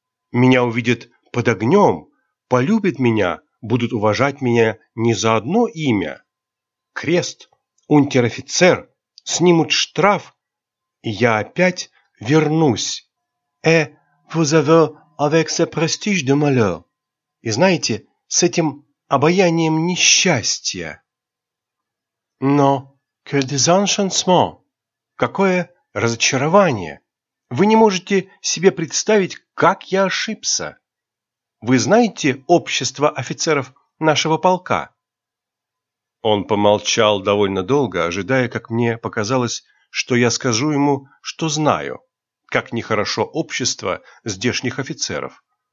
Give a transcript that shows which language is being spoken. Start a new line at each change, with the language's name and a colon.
Russian: Меня увидит под огнем, полюбит меня, будут уважать меня не за одно имя. Крест, унтер-офицер, снимут штраф, и я опять вернусь.
French: Vous avez avec ce prestige de malheur.
Russian: И знаете, с этим обаянием несчастья. Но,
French: quel désenchantement.
Russian: Какое разочарование! Вы не можете себе представить, как я ошибся. Вы знаете общество офицеров нашего полка? Он помолчал довольно долго, ожидая, как мне показалось, что я скажу ему, что знаю, как нехорошо общество здешних офицеров.